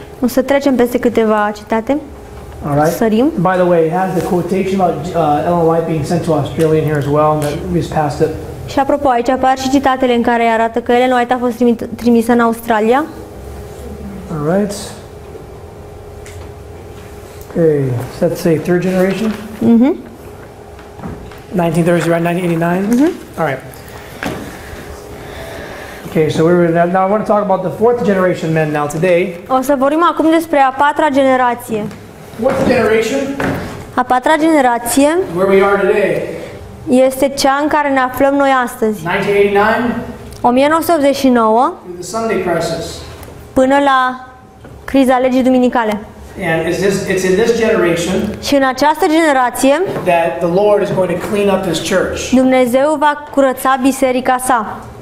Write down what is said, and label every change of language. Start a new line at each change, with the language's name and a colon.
Romanian: O să trecem peste câteva citate.
English: All right.
Romanian: Sărim.
English: By the way, it has the quotation about Ellen White being sent to Australia in here as well, that we just passed it.
Romanian: Și apropo, aici apar și citatele în care arată că Ellen White a fost trimisă în Australia.
English: All right. Okay. Does that say third generation? Mm-hmm. 1930s, around 1989? Mm-hmm. All right. Okay, so we were now I want to talk about the fourth generation men now today.
Romanian: O să vorbim acum despre a patra generație.
English: What's the generation?
Romanian: A patra generație.
English: Where we are today.
Romanian: Este cea în care ne aflăm noi astăzi.
English: 1989. The Sunday crisis.
Romanian: Până la criza legii duminicale.
English: And it's in this generation.
Romanian: Și în această generație.
English: That the Lord is going to clean up his church.
Romanian: Dumnezeu va curăța biserica sa.